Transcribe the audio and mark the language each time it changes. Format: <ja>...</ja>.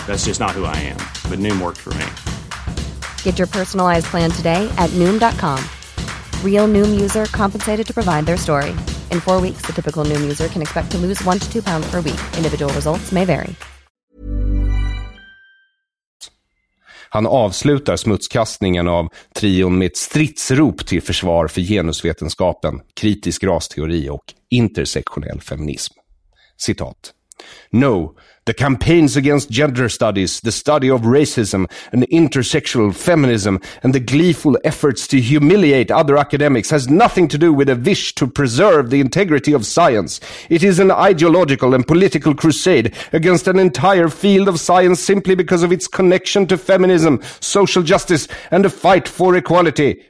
<en>That's just not who I am. But Noom worked for me. Get your personalized plan today at Noom.com. Real Noom user compensated to provide their story. In 4 weeks, the typical Noom user can expect to lose 1 to 2 pounds per week. Individual results may vary.</en> <sv>Han avslutar smutskastningen av trion med ett stridsrop till försvar för genusvetenskapen, kritisk rasteori och intersektionell feminism. Citat.</sv> <en>No, the campaigns against gender studies, the study of racism and intersexual feminism and the gleeful efforts to humiliate other academics has nothing to do with a wish to preserve the integrity of science. It is an ideological and political crusade against an entire field of science simply because of its connection to feminism, social justice and a fight for equality.</en>